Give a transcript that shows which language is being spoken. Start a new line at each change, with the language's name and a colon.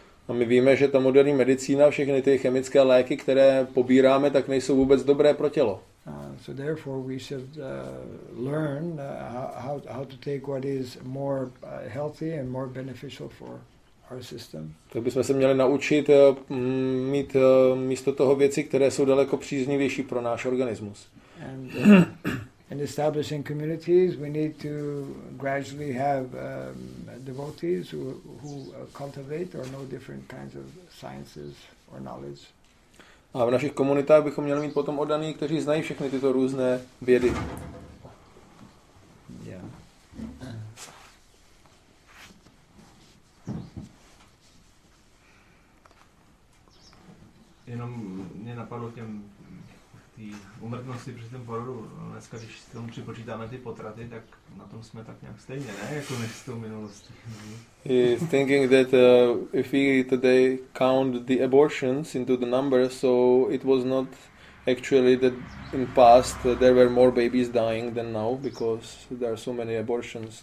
Czech: A my víme, že ta moderní medicína, všechny ty chemické léky, které pobíráme, tak nejsou vůbec dobré pro tělo.
English: So therefore we should learn how to take what is more healthy and more beneficial for our system.
Czech: Tak bychom se měli naučit mít místo toho věci, které jsou daleko příznivější pro náš organismus.
English: And in establishing communities we need to gradually have devotees who cultivate or know different kinds of sciences or knowledge.
Czech: A v našich komunitách bychom měli mít potom oddaní, kteří znají všechny tyto různé vědy.
English: Yeah.
Czech: Jenom mě napadlo tý umrtnosti při tom porodu. Dneska, když k tomu připočítáme ty potraty, tak na tom jsme tak nějak stejně, ne? Jako než s tou minulostí.
English: He's thinking that if we today count the abortions into the number, so it was not actually that in past there were more babies dying than now, because there are so many abortions.